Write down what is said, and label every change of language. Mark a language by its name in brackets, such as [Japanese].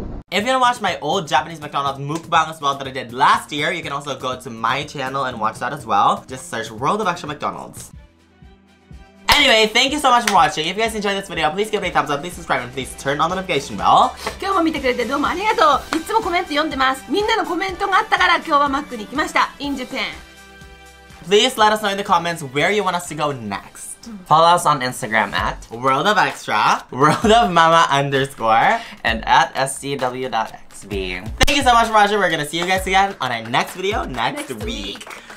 [English] If you want to watch my old Japanese McDonald's mukbang as well that I did last year, you can also go to my channel and watch that as well. Just search World of Extra McDonald's. Anyway, thank you so much for watching. If you guys enjoyed this video, please give it a thumbs up, please subscribe, and please turn on the notification bell. [Japanese] 今日も見てくれてどうもありがとう。いつもコメント読んでます。みんなのコメントがあったから今日はマックに行きました。 [English] In Japan. Please let us know in the comments where you want us to go next. Follow us on Instagram at World of Extra, World of Mama _, and at scw.xb. Thank you so much for watching. We're gonna see you guys again on our next video next week.